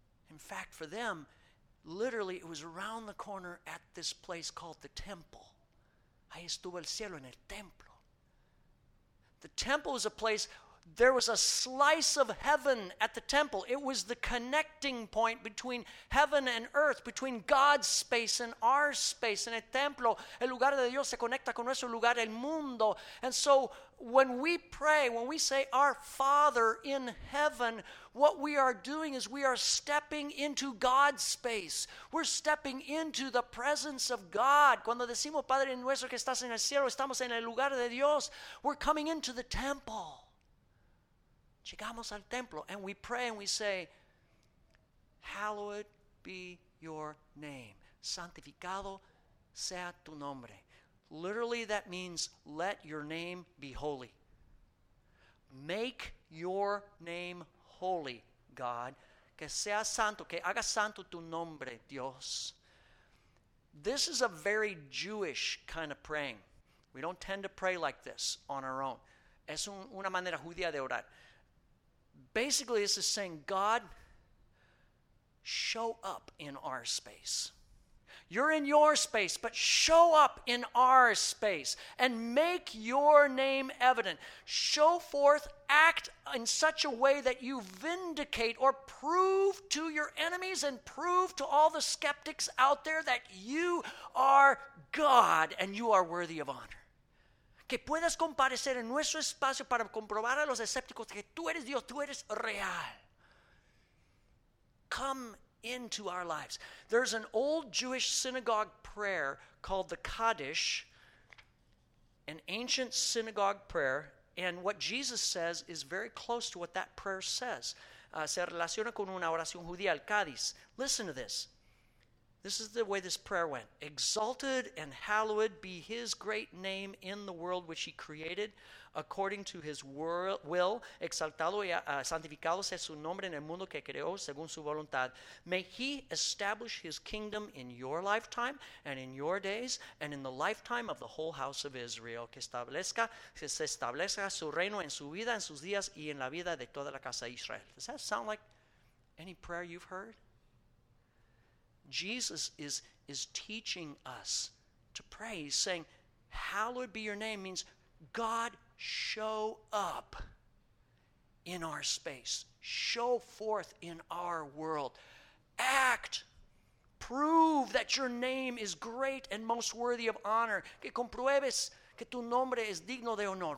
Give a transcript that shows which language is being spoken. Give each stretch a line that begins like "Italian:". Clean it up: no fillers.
English: In fact, for them, literally, it was around the corner at this place called the temple.
Spanish: Ahí estuvo el cielo en el templo.
English: The temple was a place, there was a slice of heaven at the temple. It was the connecting point between heaven and earth, between God's space and our space.
Spanish: En el templo, el lugar de Dios se conecta con nuestro lugar, el mundo.
English: And so when we pray, when we say our Father in heaven, what we are doing is we are stepping into God's space. We're stepping into the presence of God.
Spanish: Cuando decimos Padre nuestro que estás en el cielo, estamos en el lugar de Dios.
English: We're coming into the temple.
Spanish: Llegamos al templo
English: and we pray and we say, hallowed be your name.
Spanish: santificado sea tu nombre.
English: Literally, that means let your name be holy. Make your name holy, God.
Spanish: Que sea santo, que haga santo tu nombre, Dios.
English: This is a very Jewish kind of praying. We don't tend to pray like this on our own.
Spanish: Es una manera judía de orar.
English: Basically, this is saying, God, show up in our space. You're in your space, but show up in our space and make your name evident. Show forth, act in such a way that you vindicate or prove to your enemies and prove to all the skeptics out there that you are God and you are worthy of honor.
Spanish: Que puedas comparecer en nuestro espacio para comprobar a los escépticos que tú eres Dios, tú eres real.
English: Come into our lives. There's an old Jewish synagogue prayer called the Kaddish, an ancient synagogue prayer, and what Jesus says is very close to what that prayer says.
Spanish: Se relaciona con una oración judía, el Kaddish.
English: Listen to this. This is the way this prayer went. Exalted and hallowed be his great name in the world which he created according to his will.
Spanish: Exaltado y santificado sea su nombre en el mundo que creó según su voluntad.
English: May he establish his kingdom in your lifetime and in your days and in the lifetime of the whole house of Israel.
Spanish: Que se establezca su reino en su vida, en sus días y en la vida de toda la casa de Israel.
English: Does that sound like any prayer you've heard? Jesus is teaching us to pray. He's saying, hallowed be your name means God, show up in our space. Show forth in our world. Act. Prove that your name is great and most worthy of honor.
Spanish: Que compruebes que tu nombre es digno de honor.